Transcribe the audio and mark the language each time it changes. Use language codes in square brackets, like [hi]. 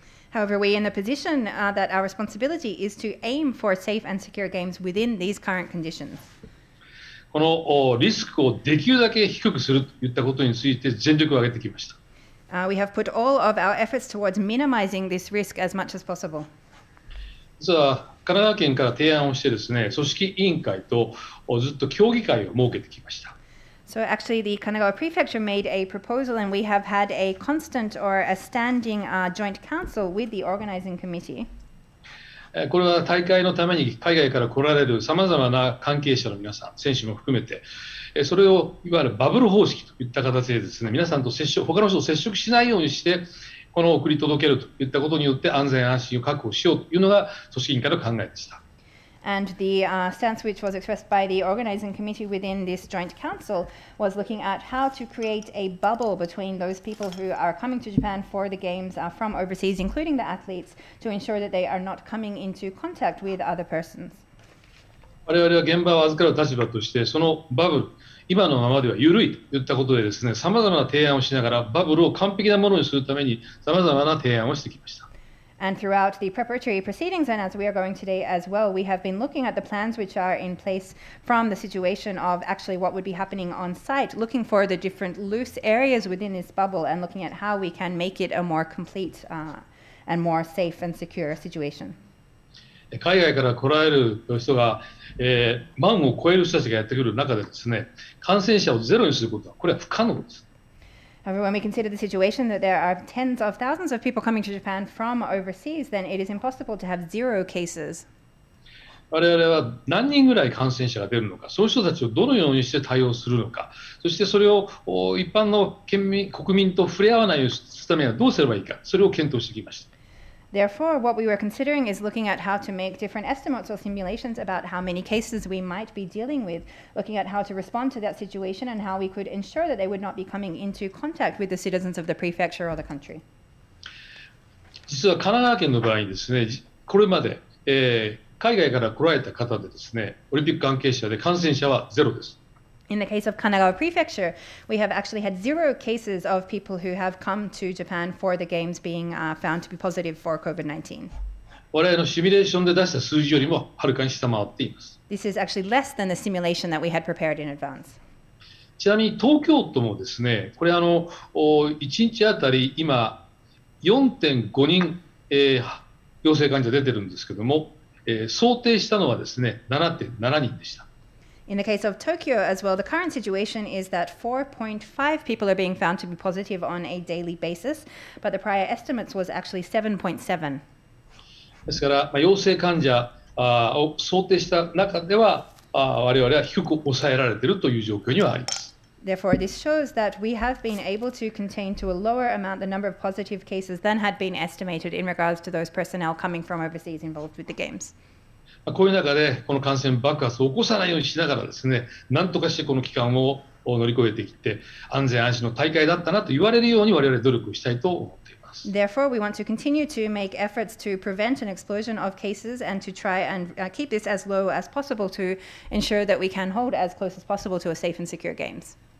[en] However, we are in the position that our responsibility is to aim for safe and secure games within these current conditions. [ja] このリスクをできるだけ低くするといったことについて全力を挙げてきました。 [en] We have put all of our efforts towards minimizing this risk as much as possible. [ja] 実は神奈川県から提案をしてですね、組織委員会とずっと協議会を設けてきました。 [en] So actually the Kanagawa Prefecture made a proposal and we have had a constant or a standing joint council with the organizing committee. [ja] これは大会のために海外から来られる様々な関係者の皆さん、選手も含めて、それをいわゆるバブル方式といった形でですね、皆さんと接触、他の人と接触しないようにして、この送り届けるといったことによって安全安心を確保しようというのが組織委員会の考えでした。 [en] And the stance which was expressed by the organizing committee within this joint council was looking at how to create a bubble between those people who are coming to Japan for the games from overseas, including the athletes, to ensure that they are not coming into contact with other persons. [ja] 我々は現場を預かる立場としてそのバブル今のままでは緩いと言ったことでですね、様々な提案をしながらバブルを完璧なものにするために様々な提案をしてきました。 [en] And throughout the preparatory proceedings and as we are going today as well, we have been looking at the plans which are in place from the situation of actually what would be happening on site, looking for the different loose areas within this bubble and looking at how we can make it a more complete and more safe and secure situation. [ja] 海外から来られる人が、万を超える人たちがやってくる中でですね、感染者をゼロにすることは、これは不可能です。 [en] When we consider the situation that there are tens of thousands of people coming to Japan from overseas, then it is impossible to have zero cases. [ja] 我々は何人ぐらい感染者が出るのか、その人たちをどのようにして対応するのか、そしてそれを一般の県民、国民と触れ合わないようにするためにはどうすればいいか、それを検討してきました。 [en] Therefore, what we were considering is looking at how to make different estimates or simulations about how many cases we might be dealing with, looking at how to respond to that situation and how we could ensure that they would not be coming into contact with the citizens of the prefecture or the country. [ja] 実は神奈川県の場合にですね、これまで、海外から来られた方でですね、オリンピック関係者で感染者はゼロです。 [en] In the case of Kanagawa Prefecture, we have actually had zero cases of people who have come to Japan for the games being found to be positive for COVID-19. [ja] 我々のシミュレーションで出した数字よりもはるかに下回っています。 [en] This is actually less than the simulation that we had prepared in advance. [ja] ちなみに東京都もですね、これ1日あたり今 4.5 人、陽性患者出てるんですけども、想定したのはですね、7.7 人でした。 [en] In the case of Tokyo as well, the current situation is that 4.5 people are being found to be positive on a daily basis, but the prior estimates was actually 7.7. [ja] ですから、まあ、陽性患者を想定した中では、我々は低く抑えられているという状況にはあります。 [en] Therefore, this shows that we have been able to contain to a lower amount the number of positive cases than had been estimated in regards to those personnel coming from overseas involved with the games. [ja] こういう中でこの感染爆発を起こさないようにしながらですね、なんとかしてこの期間を乗り越えてきて安全安心の大会だったなと言われるように我々努力したいと思っています。 [en] Therefore, we want to continue to make efforts to prevent an explosion of cases and to try and keep this as low as possible to ensure that we can hold as close as possible to a safe and secure games.